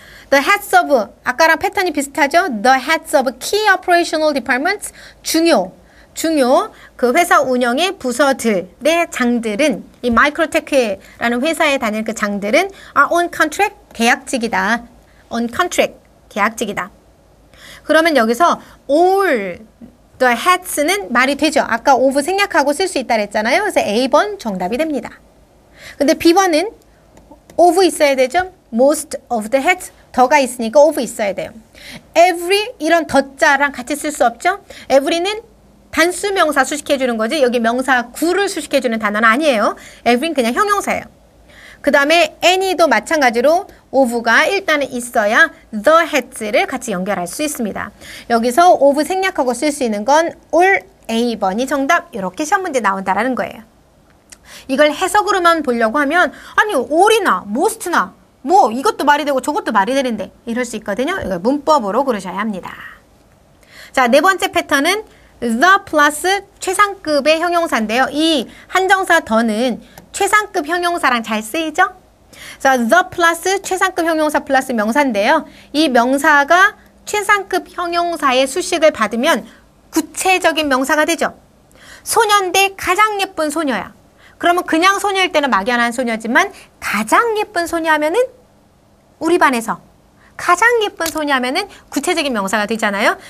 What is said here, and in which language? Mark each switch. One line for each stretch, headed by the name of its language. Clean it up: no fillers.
English: The heads of, 아까랑 패턴이 비슷하죠? The heads of key operational departments,
Korean: 중요, 그 회사 운영의 부서들의 장들은, 이 마이크로테크라는 회사에 다닐 그 장들은
English: are on contract,
Korean: 계약직이다. On contract, 계약직이다. 그러면 여기서 all the heads는 말이 되죠? 아까 of 생략하고 쓸 수 있다 그랬잖아요? 그래서 A번 정답이 됩니다. 근데 B번은 of 있어야 되죠?
English: most of the heads,
Korean: 더가 있으니까 of 있어야 돼요. every, 이런 더자랑 같이 쓸 수 없죠? every는 단수명사 수식해주는 거지 여기 명사 구를 수식해주는 단어는 아니에요. every는 그냥 형용사예요. 그 다음에 any도 마찬가지로 of가 일단은 있어야 the has를 같이 연결할 수 있습니다. 여기서 of 생략하고 쓸 수 있는 건 all A번이 정답. 이렇게 시험 문제 나온다라는 거예요. 이걸 해석으로만 보려고 하면 아니 all이나 most나 뭐 이것도 말이 되고 저것도 말이 되는데 이럴 수 있거든요. 이걸 문법으로 그러셔야 합니다. 자, 네 번째 패턴은 the plus 최상급의 형용사인데요. 이 한정사 the는 최상급 형용사랑 잘 쓰이죠? So the plus 최상급 형용사 plus 명사인데요. 이 명사가 최상급 형용사의 수식을 받으면 구체적인 명사가 되죠. 소녀인데 가장 예쁜 소녀야. 그러면 그냥 소녀일 때는 막연한 소녀지만 가장 예쁜 소녀하면은 우리 반에서 가장 예쁜 소녀하면은 구체적인 명사가 되잖아요.